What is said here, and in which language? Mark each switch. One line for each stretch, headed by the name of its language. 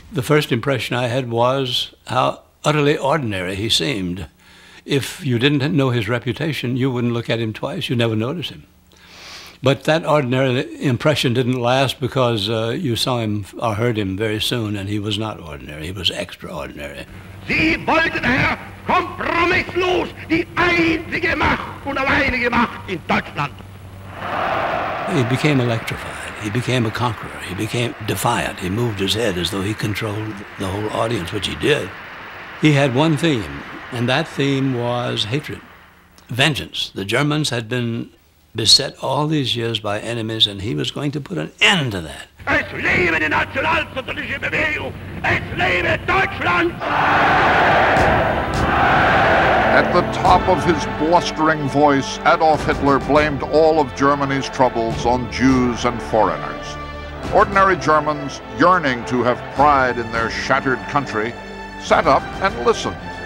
English: The first impression I had was how utterly ordinary he seemed. If you didn't know his reputation, you wouldn't look at him twice. You'd never notice him. But that ordinary impression didn't last because you saw him or heard him very soon, and he was not ordinary, he was extraordinary.
German: Sie wollten, Herr, kompromisslos die einzige Macht und alleinige Macht in Deutschland.
English: He became electrified. He became a conqueror. He became defiant. He moved his head as though he controlled the whole audience, which he did. He had one theme, and that theme was hatred, vengeance. The Germans had been beset all these years by enemies, and he was going to put an end to that.
German: Es lebe die nationalsozialistische Bewegung! Es lebe Deutschland!
English: At the top of his blustering voice, Adolf Hitler blamed all of Germany's troubles on Jews and foreigners. Ordinary Germans, yearning to have pride in their shattered country, sat up and listened.